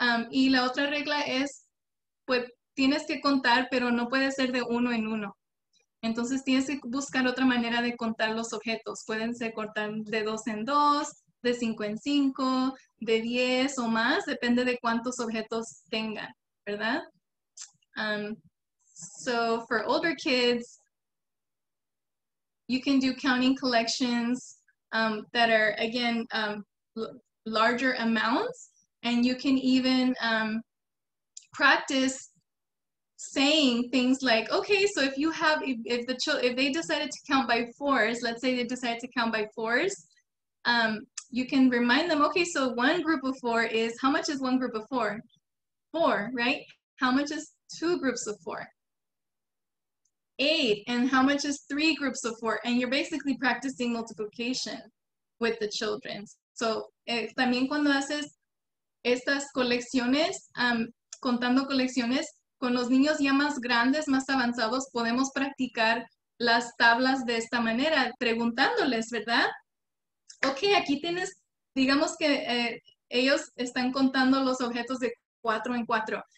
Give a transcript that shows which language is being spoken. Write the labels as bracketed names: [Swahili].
[Spanish] Y la otra regla es, pues, tienes que contar, pero no puede ser de uno en uno. Entonces, tienes que buscar otra manera de contar los objetos. Pueden ser cortar de dos en dos, de cinco en cinco, de diez o más. Depende de cuántos objetos tengan, ¿verdad? [English] So, for older kids, you can do counting collections that are, again, larger amounts. And you can even practice saying things like, okay, so if you have, if they decided to count by fours, let's say they decided to count by fours, you can remind them, okay, so one group of four is, how much is one group of four? Four, right? How much is two groups of four? Eight, and how much is three groups of four? And you're basically practicing multiplication with the children. [Spanish] So, también cuando haces estas colecciones, contando colecciones, con los niños ya más grandes, más avanzados, podemos practicar las tablas de esta manera, preguntándoles, ¿verdad? Ok, aquí tienes, digamos que ellos están contando los objetos de cuatro en cuatro.